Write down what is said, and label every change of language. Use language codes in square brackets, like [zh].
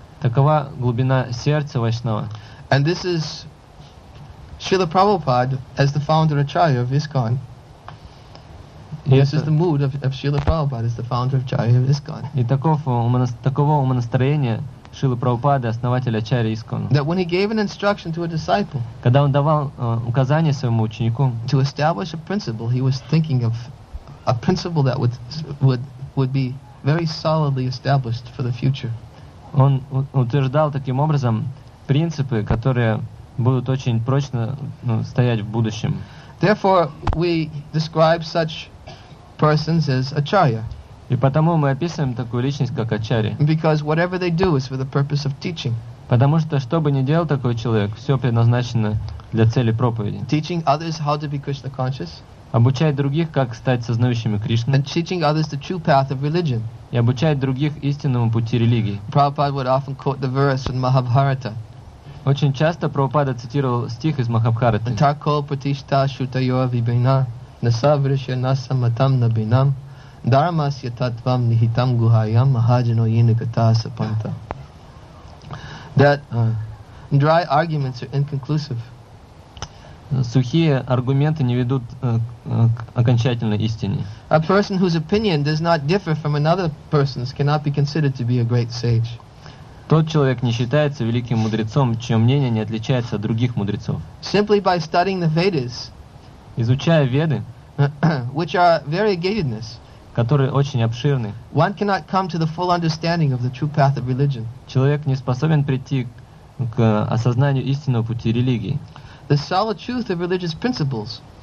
[ru] Такова глубина сердца Вайшнава. [en] And this is Srila Prabhupada as the founder Acharya of ISKCON. This is the mood of Srila Prabhupada as the founder of Acharya of ISKCON. [ru] И такого умонастроения Шрила Прабхупада, основатель Ачарьи Искона. [en] That when he gave an instruction to a disciple, [ru] когда он давал указание своему ученику, [en] to establish a principle, he was thinking of a principle that would be very solidly established for the future. [ru] Он утверждал таким образом принципы, которые будут очень прочно стоять в будущем. [en] Therefore, we describe such persons as Acharya. [ru] И потому мы описываем такую личность, как Ачарья. [en] Because whatever they do is for the purpose of teaching. [ru] Потому что что бы ни делал такой человек, все предназначено для цели проповеди. [en] Teaching others how to be Krishna conscious. [ru] Обучает других, как стать сознающими Кришну. [en] And teaching others the true path of religion. [ru] И обучает других истинному пути религии. [en] Prabhupada would often quote the verse from Mahabharata. [ru] Очень часто Прабхупада цитировал стих из Махабхараты. [sa] Тако пратишта шутайо вибина насаврша насаматам набинам. Dharmasya tattvam nihitam guhayam mahajano yinagata sapanta. [en] That dry arguments are inconclusive. [ru] Сухие аргументы не ведут к окончательной истине. [en] A person whose opinion does not differ from another person's cannot be considered to be a great sage. [ru] Тот человек не считается великим мудрецом, чье мнение не отличается от других мудрецов. [en] Simply by studying the Vedas, [ru] изучая Веды, [en] which are variegatedness, [ru] которые очень обширны. [en] One cannot come to the full understanding of the true path of religion. [ru] Человек не способен прийти к осознанию истинного пути религии. [en] The solid truth of religious principles.